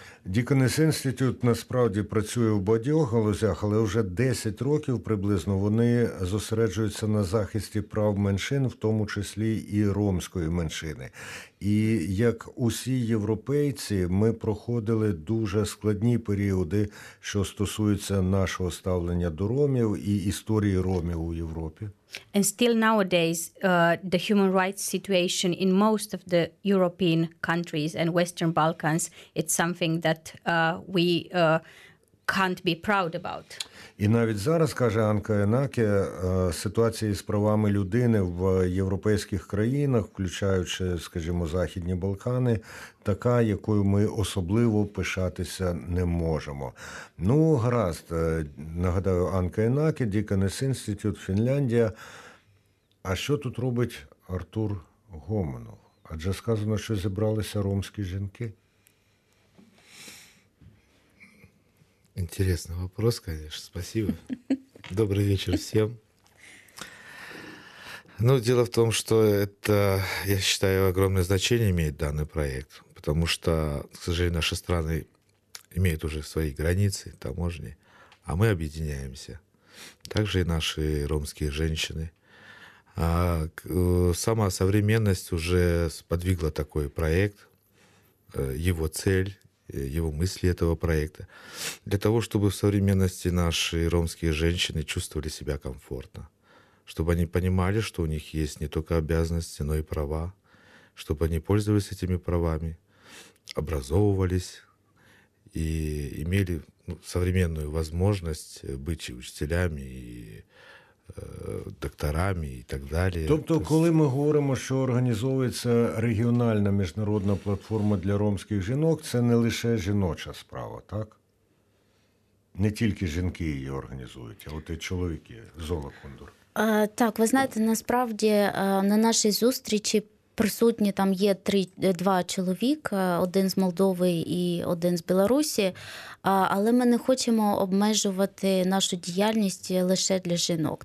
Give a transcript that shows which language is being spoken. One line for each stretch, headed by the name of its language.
Ukrainian: Bikoness Institute насправді працює в багатьох галузях, але вже 10 років приблизно вони зосереджуються на захисті прав меншин, в тому числі і ромської меншини. І як усі європейці, ми проходили дуже складні періоди, що стосуються нашого ставлення до ромів і історії ромів у Європі.
English: And still nowadays, the human rights situation in most of the European countries and Western Balkans, it's something that we can't be proud about.
Ukrainian: І навіть зараз, каже Анка Енакі, ситуація з правами людини в європейських країнах, включаючи, скажімо, Західні Балкани, така, якою ми особливо пишатися не можемо. Ну, гаразд, нагадаю, Анка Енакі, Deaconess Institute, Фінляндія. А що тут робить Артур Гоманов? Адже сказано, що зібралися ромські жінки.
Russian: Интересный вопрос, конечно. Спасибо. Добрый вечер всем. Ну, дело в том, что это, я считаю, огромное значение имеет данный проект, потому что, к сожалению, наши страны имеют уже свои границы, таможни, а мы объединяемся. Также и наши ромские женщины. А сама современность уже сподвигла такой проект, его цель, его мысли этого проекта, для того, чтобы в современности наши ромские женщины чувствовали себя комфортно, чтобы они понимали, что у них есть не только обязанности, но и права, чтобы они пользовались этими правами, образовывались и имели современную возможность быть и учителями, и докторами
Ukrainian: і так далі. Тобто, коли ми говоримо, що організовується регіональна міжнародна платформа для ромських жінок, це не лише жіноча справа, так? Не тільки жінки її організують, а от і чоловіки. Зола Кондур. Так, ви знаєте, насправді на нашій зустрічі присутні там є два чоловіка, один з Молдови і один з Білорусі, але ми не хочемо обмежувати нашу діяльність лише для жінок.